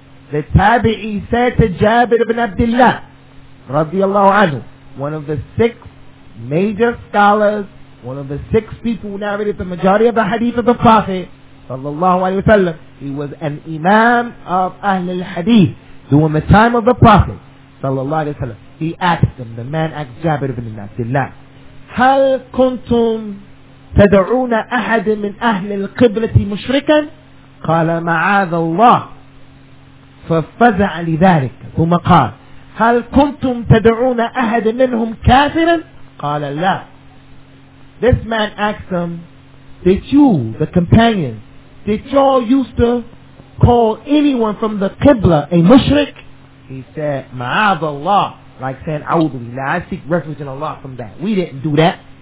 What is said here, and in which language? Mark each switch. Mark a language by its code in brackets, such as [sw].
[en] The Tabi'i said to Jabir ibn Abdullah, radiallahu anhu, one of the six major scholars, one of the six people who narrated the majority of the hadith of the Prophet, sallallahu alayhi wa sallam, he was an imam of Ahl al-Hadith during the time of the Prophet, sallallahu alayhi wa sallam. [ar] He asked him, the man asked Jabir ibn Abdullah, هل كنتم تدعون أحد من أهل القبلة مشركا؟ قال معاذ الله ففزع لذلك ثم قال هل كنتم تدعون أحد منهم كافرا؟ قال لا. [en] This man asked them, did you, the companions, did y'all used to call anyone from the Qibla a mushrik? He said, [ar] معاذ الله. [en] Like saying, [ar] أعوذ بالله. [en] I seek refuge in Allah from that. We didn't do that.